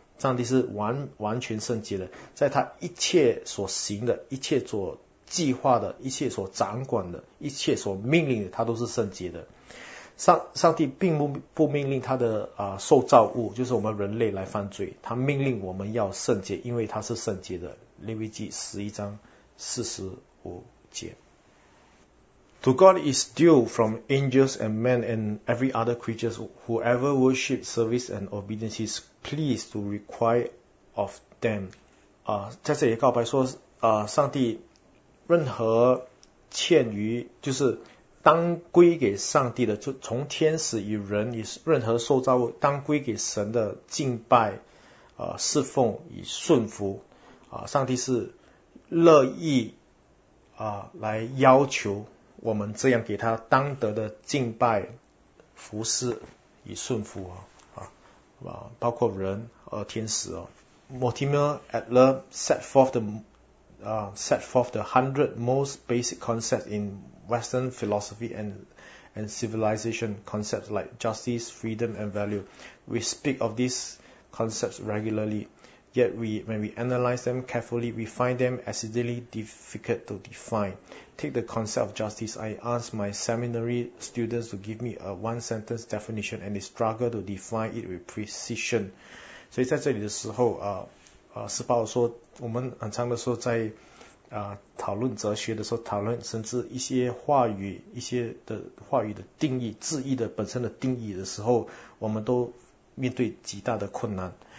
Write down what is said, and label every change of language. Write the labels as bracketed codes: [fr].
[zh] 上帝是完全圣洁的，在他一切所行的，一切所计划的，一切所掌管的，一切所命令的，他都是圣洁的。上帝并不命令他的受造物，就是我们人类来犯罪，他命令我们要圣洁，因为他是圣洁的。利未记11:45。 [en] To God is due from angels and men and every other creatures whoever worship, service and obedience is pleased to require of them. [zh] 在这里告白说上帝任何欠于就是。当归给上帝的，就从天使与人与任何受造物，当归给神的敬拜、侍奉与顺服、上帝是乐意、来要求我们这样给他当得的敬拜、服侍与顺服、包括人和天使、 [en] Mortimer Adler set forth the 100 most basic concepts in Western philosophy and civilization, concepts like justice, freedom, and value. We speak of these concepts regularly. Yet when we analyze them carefully, we find them exceedingly difficult to define. Take the concept of justice. I ask my seminary students to give me a one-sentence definition, and they struggle to define it with precision. [zh] 所以在这里的时候，斯巴鲁说，我们很长的时候在讨论哲学的时候，讨论甚至一些话语、一些的话语的定义、字义的本身的定义的时候，我们都面对极大的困难。